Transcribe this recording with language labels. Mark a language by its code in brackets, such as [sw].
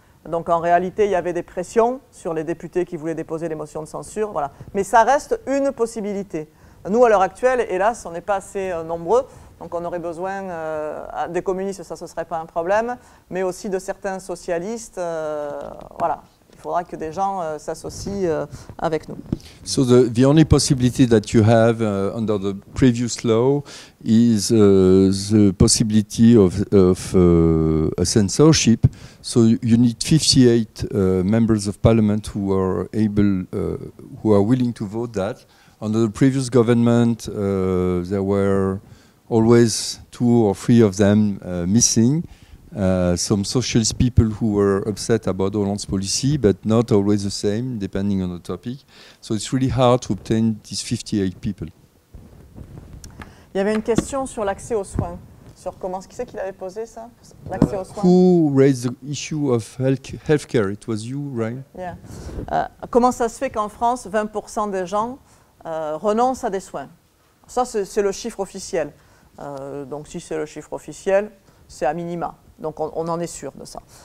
[fr] Donc en réalité, il y avait des pressions sur les députés qui voulaient déposer des motions de censure, voilà. Mais ça reste une possibilité. Nous, à l'heure actuelle, hélas, on n'est pas assez nombreux. Donc on aurait besoin des communistes, ça ce serait pas un problème, mais aussi de certains socialistes, voilà. Il faudra que des gens s'associent avec nous. [en] So the only possibility that you have under the previous law is the possibility of a censorship. So you need 58 members of parliament who are able, who are willing to vote that. Under the previous government, there were always two or three of them missing. Some socialist people who were upset about Hollande's policy, but not always the same, depending on the topic. So it's really hard to obtain these 58 people. [fr] Il y avait une question sur l'accès aux soins. Sur comment, qui c'est qui l'avait posé ça? L'accès aux soins. [en] Who raised the issue of healthcare? It was you, right? Yeah. [fr] Comment ça se fait qu'en France, 20% des gens renoncent à des soins? Ça, c'est le chiffre officiel. Donc si c'est le chiffre officiel, c'est à minima, donc on en est sûr de ça.